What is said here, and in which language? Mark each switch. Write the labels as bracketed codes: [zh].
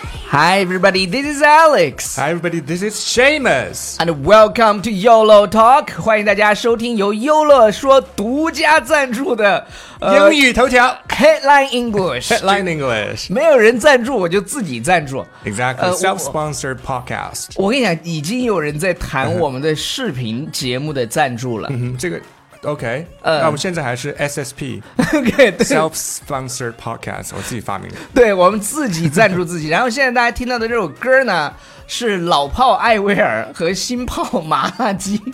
[en] Hi everybody, this is Alex. Hi everybody, this is Seamus. And welcome to YOLO Talk. [zh] 欢迎大家收听由 YOLO 说独家赞助的英语头条 [en] Headline English. Headline English. [zh] 没有人赞助，我就自己赞助。 [en] Exactly, self-sponsored podcast. [zh] 我跟你讲，已经有人在谈我们的视频节目的赞助了。嗯，这个OK, 那我们现在还是 SSP [en] okay, [zh] Self-Sponsored Podcast, 我自己发明的。对，我们自己赞助自己。然后现在大家听到的这首歌呢，是老炮艾薇儿和新炮麻辣鸡